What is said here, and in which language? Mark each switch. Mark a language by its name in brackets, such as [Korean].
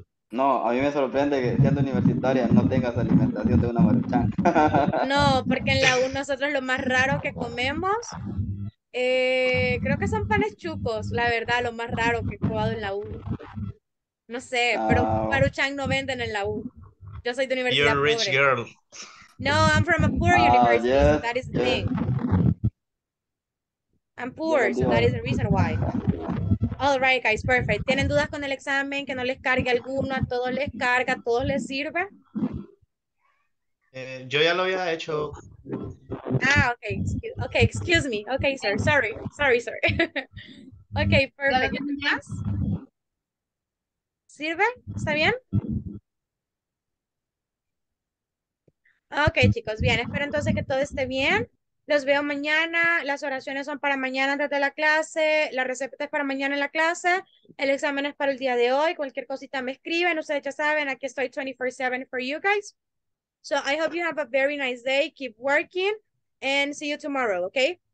[Spanish] No, a mí me sorprende que siendo universitaria no tengas alimentación de una Maruchan. No, porque en la U nosotros lo más raro que comemos, creo que son panes chucos, la verdad, lo más raro que he probado en la U. No sé, pero Maruchan no venden en la U. Yo soy de universidad. [English] You're a rich [Spanish] pobre. [English] Girl. No, I'm from a poor university, yes, so that is the thing. I'm poor, so that is the reason why. All right, guys, perfect. [Spanish] ¿Tienen dudas con el examen? ¿Que no les cargue alguno? ¿A todos les carga? ¿A todos les sirve? Yo ya lo había hecho. [English] Ah, okay, excuse me. Okay, sir, sorry. Okay, perfect. [Spanish] ¿Ya más? ¿Sirve? ¿Está bien? Ok, chicos, bien, espero entonces que todo esté bien. Los veo mañana, las oraciones son para mañana antes de la clase, la receta es para mañana en la clase, el examen es para el día de hoy, cualquier cosita me escriben, ustedes ya saben, aquí estoy 24/7 [English] for you guys. So I hope you have a very nice day, keep working, and see you tomorrow, ok?